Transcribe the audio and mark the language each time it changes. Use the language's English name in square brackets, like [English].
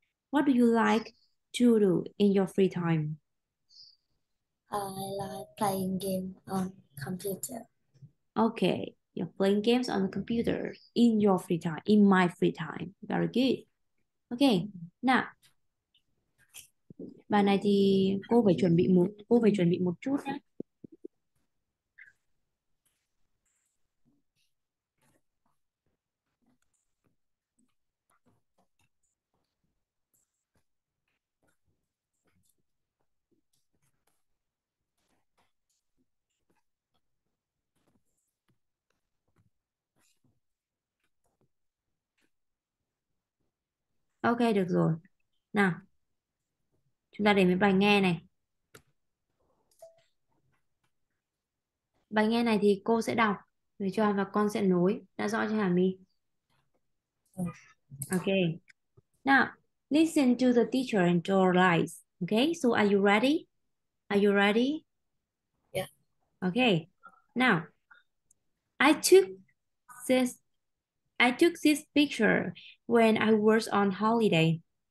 [English] What do you like to do in your free time? Like playing game on computer. Okay, you're playing games on the computer in your free time, in my free time. Very good. Okay, now. [Vietnamese] Bài này thì cô phải chuẩn bị một chút nhé. Ok, được rồi. Nào, chúng ta đến với bài nghe này. Bài nghe này thì cô sẽ đọc để cho và con sẽ nối. Đã rõ chưa hả My? [English] Ok. Now, listen to the teacher and draw lines. Ok, so are you ready? Are you ready? Ok. Now, I took this picture when I was on holiday.